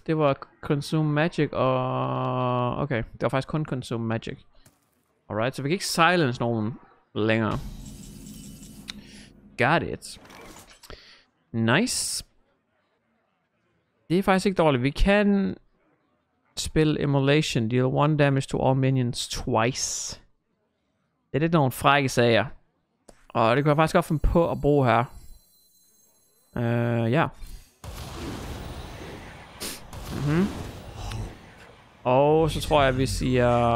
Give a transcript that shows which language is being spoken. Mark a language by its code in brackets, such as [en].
[da] Det var consume magic og... Okay, det var faktisk kun consume magic. Alright, så vi kan ikke silence nogen længere. [en] Got it. Nice. [da] Det er faktisk ikke dårligt. Vi kan spille emulation. [en] Deal 1 damage to all minions twice. [da] Det er lidt nogle frække sager. Og det kunne jeg faktisk godt finde på at bruge her. Ja. Mm-hmm. Og så tror jeg, vi siger...